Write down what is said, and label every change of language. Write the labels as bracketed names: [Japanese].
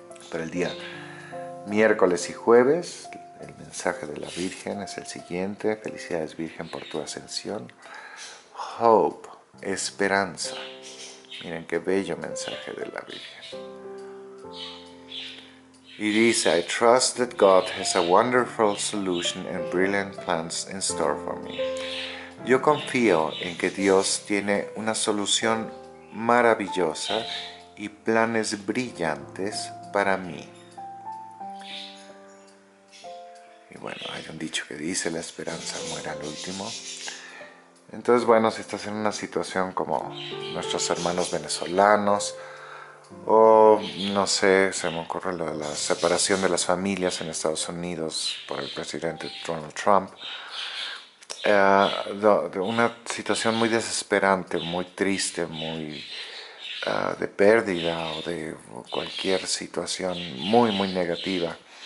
[Spanish] Pero el día miércoles y jueves, el mensaje de la Virgen es el siguiente. Felicidades Virgen por tu ascensión. Hope, esperanza. Miren qué bello mensaje de la Virgen. Y dice, [English] I trust that God has a wonderful solution and brilliant plans in store for me. [Spanish] Yo confío en que Dios tiene una solución maravillosa y planes brillantes para mí. Y bueno, hay un dicho que dice, la esperanza muere al último. Entonces, bueno, si estás en una situación como nuestros hermanos venezolanos, o no sé, se me ocurre lo de la separación de las familias en Estados Unidos por el presidente Donald Trump, una situación muy desesperante, muy triste, muy de pérdida o de cualquier situación muy, muy negativa.